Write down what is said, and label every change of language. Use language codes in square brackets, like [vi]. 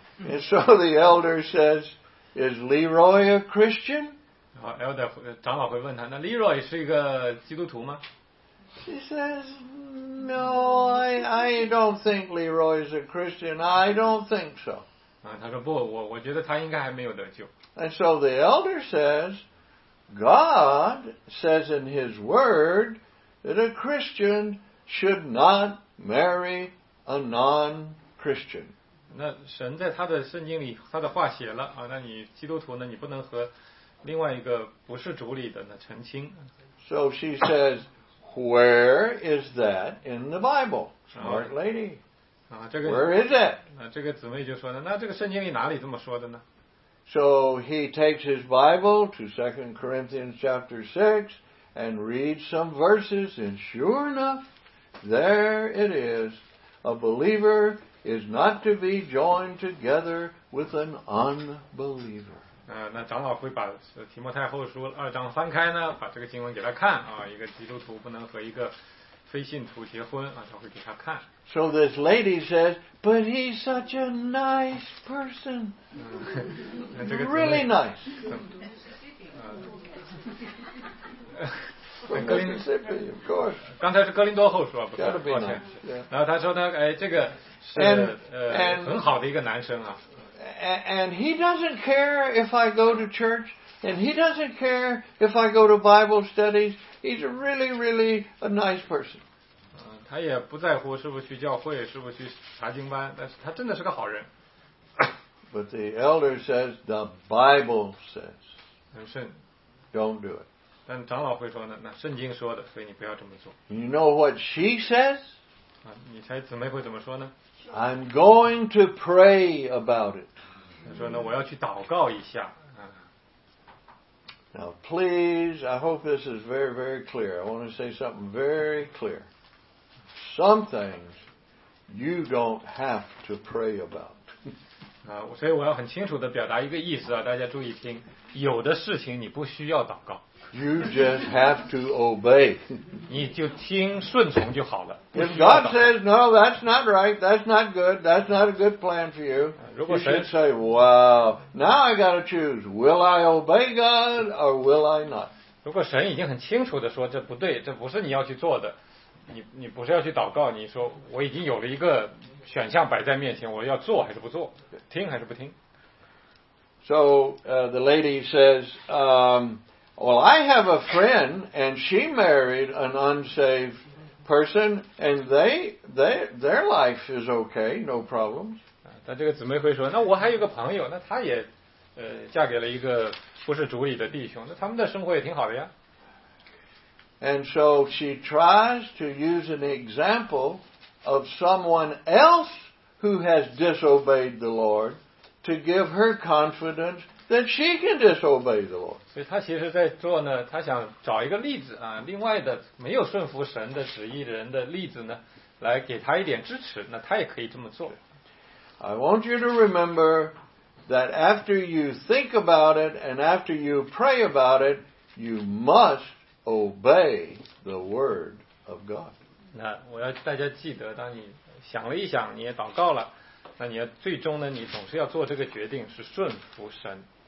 [en] And so the elder says, is Leroy a Christian? [zh] 然后 elder, 长老会问他, 那 Leroy 是一个基督徒吗? [en] She says, no, I don't think Leroy is a Christian. I don't think so. [zh] 他说不, 我觉得他应该还没有得救。 [en] And so the elder says, God says in his word that a Christian should not marry a non-Christian. [zh] 那神在他的圣经里他的话写了啊，那你基督徒呢，你不能和另外一个不是主里的呢成亲。 [en] So she says, where is that in the Bible, smart lady? [zh] 啊，这个, [en] where is it? [zh] 啊，这个姊妹就说呢，那这个圣经里哪里这么说的呢？ [en] So he takes his Bible to 2 Corinthians chapter 6 and reads some verses, and sure enough, there it is. A believer is not to be joined together with an unbeliever. [zh] 那长老会把提摩太后书二章翻开呢，把这个经文给他看啊，一个基督徒不能和一个非信徒结婚啊，他会给他看。 [en] So this lady says, but he's such a nice person. Really nice. Mississippi, of course. Gotta be nice. [zh] 然后他说呢，哎，这个是很好的一个男生啊。 [en] And he doesn't care if I go to church, and he doesn't care if I go to Bible studies. He's really, really a nice person. [zh] 他也不在乎是不是去教会，是不是去查经班，但是他真的是个好人。 [en] But the elder says, the Bible says, [zh] 圣, [en] don't do it. [zh] 但长老会说呢，那圣经说的，所以你不要这么做。 [en] You know what she says? [zh] 你猜姊妹会怎么说呢？ [en] I'm going to pray about it. [zh] 他说呢，我要去祷告一下。 [en] Now please, I hope this is very, very clear. I want to say something very clear. Some things you don't have to pray about. [zh] 所以我要很清楚地表达一个意思啊，大家注意听，有的事情你不需要祷告。 [en] You just have to obey. [zh] 你就听顺从就好了。 [en] If God says, no, that's not right, that's not good, that's not a good plan for you, you should say, wow, now I gotta choose, will I obey God or will I not? [zh] 如果神已经很清楚地说这不对，这不是你要去做的，你不是要去祷告，你说我已经有了一个选项摆在面前，我要做还是不做，听还是不听。 [en] So the lady says, well, I have a friend and she married an unsaved person and their life is okay, no problems. [zh] 但这个姊妹会说，那我还有个朋友，那她也嫁给了一个不是主里的弟兄，那他们的生活也挺好的呀。 [en] And so she tries to use an example of someone else who has disobeyed the Lord to give her confidence that she can disobey the Lord. [zh] 所以她其实在做呢，她想找一个例子啊，另外的没有顺服神的旨意的人的例子呢，来给她一点支持，那她也可以这么做。 [en] I want you to remember that after you think about it and after you pray about it, you must obey the word of God. [zh] 那我要大家记得，当你想了一想，你也祷告了，那你要最终呢，你总是要做这个决定，是顺服神。